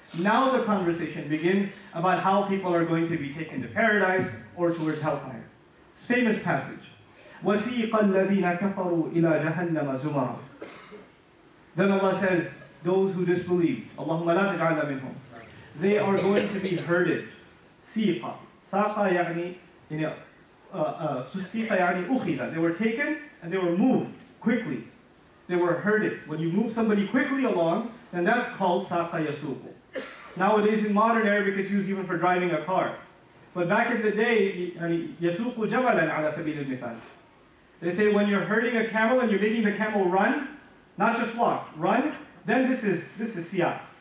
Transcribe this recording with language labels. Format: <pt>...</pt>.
<en>Now the conversation begins about how people are going to be taken to paradise or towards hellfire. This famous passage.</en> <ar>وَسِيقَ الَّذِينَ كَفَرُوا إِلَى جَهَنَّمَ زُمَرًا.</ar> <en>Then Allah says, those who disbelieve,</en> <ar>اللَّهُمَّ لَا تَجْعَلَ مِنْهُمْ,</ar> <en>they are going to be herded.</en> <ar>سِيقَ. سَاقَ يَعْنِي,</ar> <en>you know,</en> <ar>سُسِيقَ يَعْنِي أُخِذَ.</ar> <en>They were taken and they were moved quickly. They were herded. When you move somebody quickly along, then that's called سَاقَ يَسُوقُ. Nowadays in modern Arabic it's used even for driving a car. But back in the day,</en> <ar>يَسُوقُ جَبَلًا عَلَى سَبِيلِ الْمِثَالِ.</ar> <en>They say when you're herding a camel and you're making the camel run, not just walk, run, then this is siyaq.</en>